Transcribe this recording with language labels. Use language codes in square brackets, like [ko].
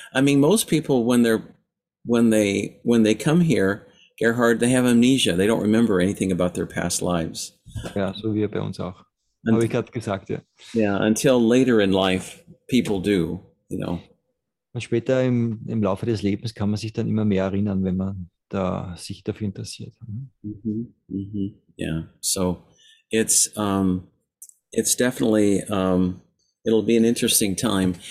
[en] I mean, most people when they come here, Gerhard, they have amnesia. They don't remember anything about their past lives. [de] Ja, so wie bei uns auch. Habe ich gerade gesagt, ja. [en] Yeah, until later in life, people do, you know. [de] Und später im Laufe des Lebens kann man sich dann immer mehr erinnern, wenn man da sich dafür interessiert. Mhm. Mm-hmm. Yeah. [en] So it's definitely it'll be an interesting time.